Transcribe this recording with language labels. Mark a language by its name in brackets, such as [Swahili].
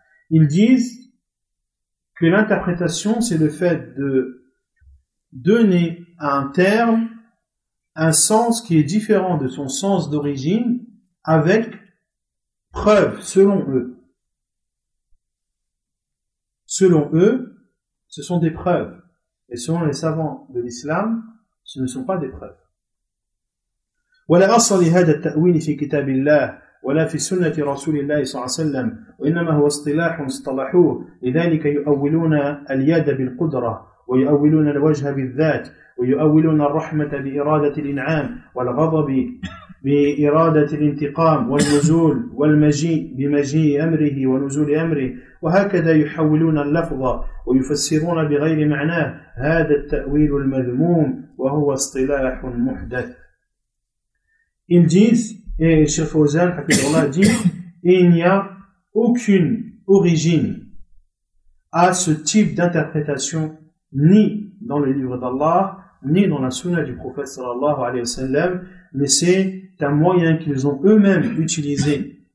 [French] Ils disent que l'interprétation, c'est le fait de donner à un terme un sens qui est différent de son sens d'origine avec preuve, selon eux. Selon eux, ce sont des preuves. Et selon les savants de l'islam, ce ne sont pas des preuves. [Arabic] Wala asla li hadha at-ta'wil fi kitabillah. ولا في سنة رسول الله صلى الله عليه وسلم وإنما هو اصطلاح اصطلحوه لذلك يؤولون اليد بالقدرة ويؤولون الوجه بالذات ويؤولون الرحمة بإرادة الإنعام والغضب بإرادة الانتقام والنزول والمجيء بمجيء أمره ونزول أمره وهكذا يحولون اللفظ ويفسرون بغير معناه هذا التأويل المذموم وهو اصطلاح محدث. [French] Et Cheikh Fawzan, Hafidullah, dit, et il n'y a aucune origine à ce type d'interprétation, ni dans le livre d'Allah, ni dans la sunna du prophète sallallahu alayhi wa sallam, mais c'est un moyen qu'ils ont eux-mêmes utilisé.